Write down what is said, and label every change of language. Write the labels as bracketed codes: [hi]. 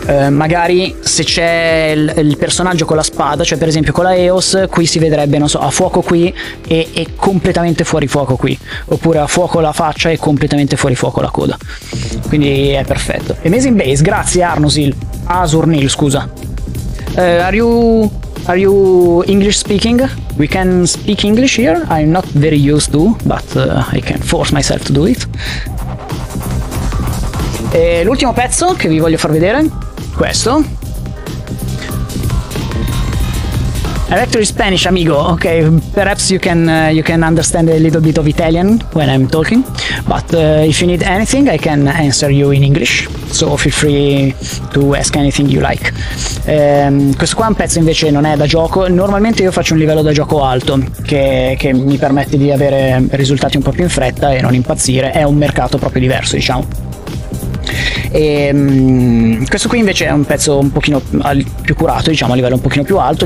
[it] magari se c'è il personaggio con la spada, cioè per esempio con la EOS qui si vedrebbe, non so, a fuoco qui e completamente fuori fuoco qui, oppure a fuoco la faccia e completamente fuori fuoco la coda, quindi è perfetto. Amazing Base, grazie Asurnil, scusa. [en] Are you English speaking? We can speak English here. I'm not very used to, but I can force myself to do it. [it] E l'ultimo pezzo che vi voglio far vedere, questo Electric Spanish, amigo. [en] Ok, perhaps you can understand a little bit of Italian when I'm talking, but if you need anything I can answer you in English, so feel free to ask anything you like. [it] Questo qua è un pezzo invece non è da gioco. Normalmente io faccio un livello da gioco alto che mi permette di avere risultati un po' più in fretta e non impazzire. È un mercato proprio diverso, diciamo. E questo qui invece è un pezzo un pochino più curato, diciamo, a livello un pochino più alto.